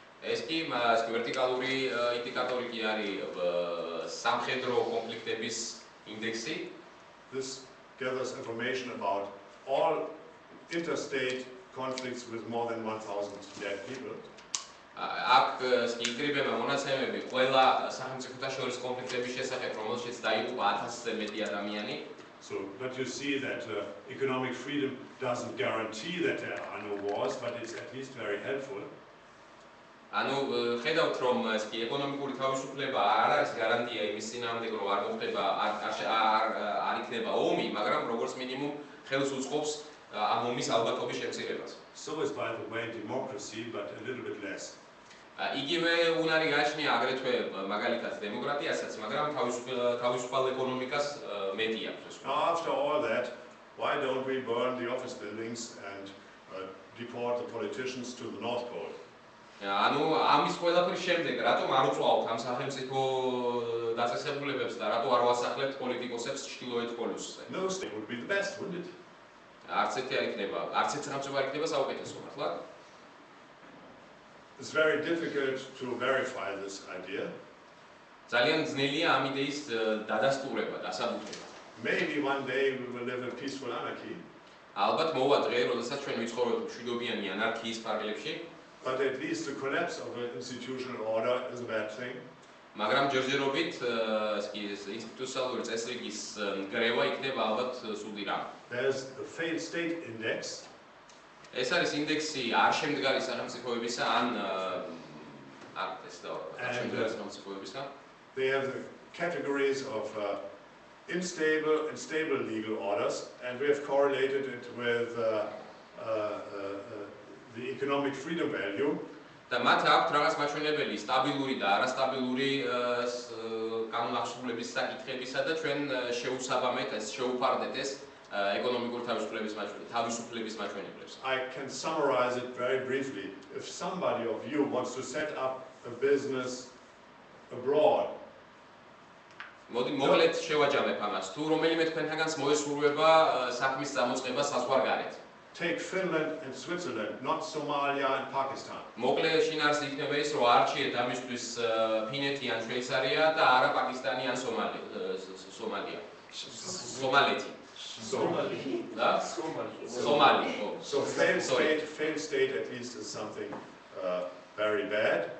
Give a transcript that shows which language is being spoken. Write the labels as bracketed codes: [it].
[ka] ეს კი მას ვერტიკალური ინდიკატორი კი არის სამხედრო კონფლიქტების ინდექსი. [en] This gathers information about all interstate conflicts with more than 1000 dead people. [ka] აქ იკრიბება მონაცემები ყველა სახელმწიფოთა შორის კონფლიქტების შესახებ, რომელშიც დაიღუპა 1000-ზე მეტი ადამიანი. [en] So, but you see that economic freedom doesn't guarantee that there are no wars, but it's at least very helpful. [ka] ანუ ხედავთ რომ ეს კი ეკონომიკური თავისუფლება არ არის გარანტია იმის წინააღმდეგ რომ არ მოხდება არ იქნება ომი, მაგრამ როგორც მინიმუმ ხელს უწყობს ამ ომის ალბათობის შემცირებას. [en] So is by the way democracy but a little bit less. [ka] იგივე უნარი გააჩნია აგრეთვე მაგალითად დემოკრატიასაც, მაგრამ თავისუფალ ეკონომიკას მეტი აქვს. [en] After all that, why don't we burn the office buildings and deport the politicians to the North Pole? [ka] ანუ ამის ყველაფრის შემდეგ რატომ არ უწვავთ ამ სახელმწიფო დაწესებულებებს და რატომ არ ვასახლებთ პოლიტიკოსებს ჩრდილოეთ პოლუსზე? [en] No, it would be the best, wouldn't it? [ka] არც ერთი არ იქნება, არც ერთი სახელმწიფო არ იქნება საუკეთესო, მართლა? [en] It's very difficult to verify this idea. [ka] ძალიან ძნელია ამ იდეის დადასტურება, დასაბუთება. [en] Maybe one day we will live in peaceful anarchy. [ka] ალბათ მოვა დღე, როდესაც ჩვენ ვიცხოვრებთ მშვიდობიანი ანარქიის ფარგლებში. [en] But at least the collapse of an institutional order is a bad thing. [ka] მაგრამ ჯერჯერობით ინსტიტუციონალური წესრიგის ნგრევა იქნება ალბათ სული რამ. [en] There's a failed state index. [ka] ეს არის ინდექსი არშემდგარი სახელმწიფოებისა ან არ ეს და არშემდგარი სახელმწიფოებისა. [en] They have the categories of instable and stable legal orders and we have correlated it with the economic freedom value. [ka] და მათ აქვთ რაღაც მაჩვენებელი სტაბილური და არასტაბილური კანონახსნულების საკითხებისა და ჩვენ შეუსაბამეთ ეს შეუფარდეთ ეს ეკონომიკური თავისუფლების მაჩვენებლებს. [en] I can summarize it very briefly. If somebody of you wants to set up a business abroad. [ka] მოდი მოგლეთ შევაჯამებ ამას. თუ რომელიმე თქვენთანგანს მოესურვება საქმის წამოწყება საზღვარგარეთ. [en] Take Finland and Switzerland, not Somalia and Pakistan. [ka] მოკლე შინარს იქნება ის, რომ არ შეიძლება დამისთვის ფინეთი ან შვეიცარია და არა პაკისტანი ან სომალია. სომალეთი. სომალი. და სომალი. სომალი. [en] So failed state at least is something very bad.